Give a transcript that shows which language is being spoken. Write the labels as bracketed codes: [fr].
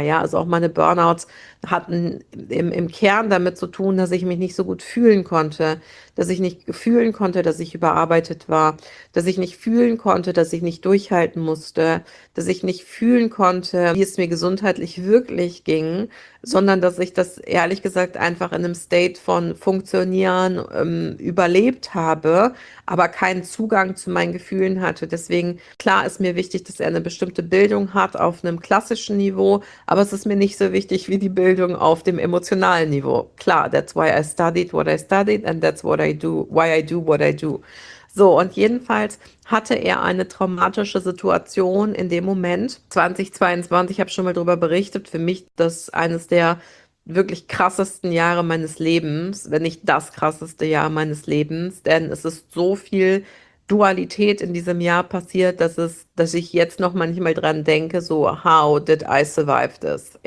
[de] Ja, also auch meine Burnouts hatten im Kern damit zu tun, dass ich mich nicht so gut fühlen konnte, dass ich nicht fühlen konnte, dass ich überarbeitet war, dass ich nicht fühlen konnte, dass ich nicht durchhalten musste, dass ich nicht fühlen konnte, wie es mir gesundheitlich wirklich ging, sondern dass ich das ehrlich gesagt einfach in einem State von Funktionieren überlebt habe, aber keinen Zugang zu meinen Gefühlen hatte. Deswegen, klar ist mir wichtig, dass er eine bestimmte Bildung hat auf einem klassischen Niveau, aber es ist mir nicht so wichtig wie die Bildung auf dem emotionalen Niveau. [en] Klar, that's why I studied what I studied and that's what I do, why I do what I do. [de] So, und jedenfalls hatte er eine traumatische Situation in dem Moment. 2022, ich habe schon mal darüber berichtet, für mich das eines der wirklich krassesten Jahre meines Lebens, wenn nicht das krasseste Jahr meines Lebens, denn es ist so viel Dualität in diesem Jahr passiert, dass ich jetzt noch manchmal dran denke, so, [en] how did I survive this?